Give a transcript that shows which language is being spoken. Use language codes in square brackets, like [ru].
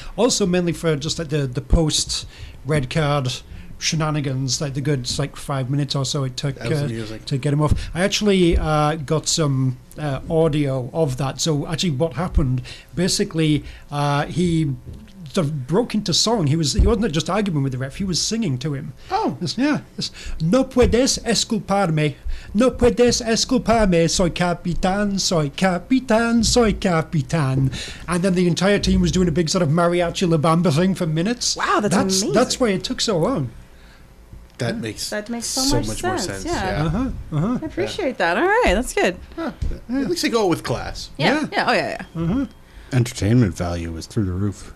[en] Also, mainly for just like the post red card shenanigans, like the good like 5 minutes or so it took to get him off. I actually got some audio of that. So actually what happened, basically he sort of broke into song. He wasn't just arguing with the ref, he was singing to him. [es] No puedes esculparme, no puedes esculparme, soy capitán. [en] And then the entire team was doing a big sort of mariachi La Bamba thing for minutes. Wow, that's amazing. That's why it took so long. That makes so much more sense. Yeah. Uh-huh. I appreciate that. All right, that's good. Yeah. At least they go with class. Yeah. Uh-huh. Entertainment value was through the roof.